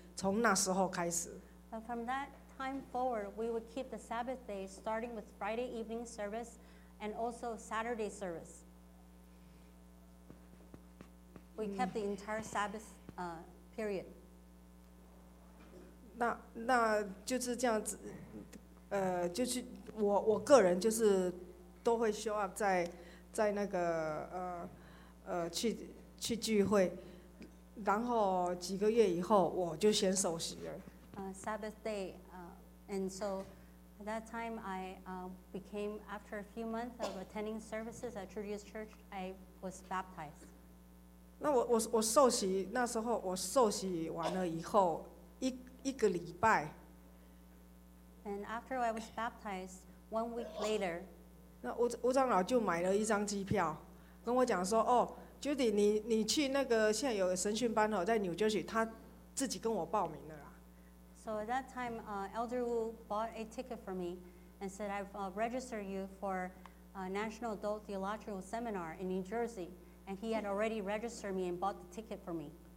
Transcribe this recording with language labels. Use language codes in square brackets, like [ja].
[zh] 从那时候开始。 [en] But from that time forward, we would keep the Sabbath day, starting with Friday evening service, and also Saturday service. We kept the entire Sabbath period. [zh] 那就是这样子，就是我个人就是都会 show up 在那个去聚会，然后几个月以后我就先受洗了。 [en] Sabbath day, and so at that time I became after a few months of attending services at Trudius Church, I was baptized. [zh] 那我受洗那时候我受洗完了以后一个礼拜 [en] and after I was baptized one week later [zh] 那吴长老就买了一张机票跟我讲说哦 Judy 你去那个现在有神训班哦在 New Jersey 他自己跟我报名了啦 [en] so at that time Elder Wu bought a ticket for me and said I've registered you for a National Adult Theological Seminar in New JerseyAnd he had already registered me and bought the ticket for me.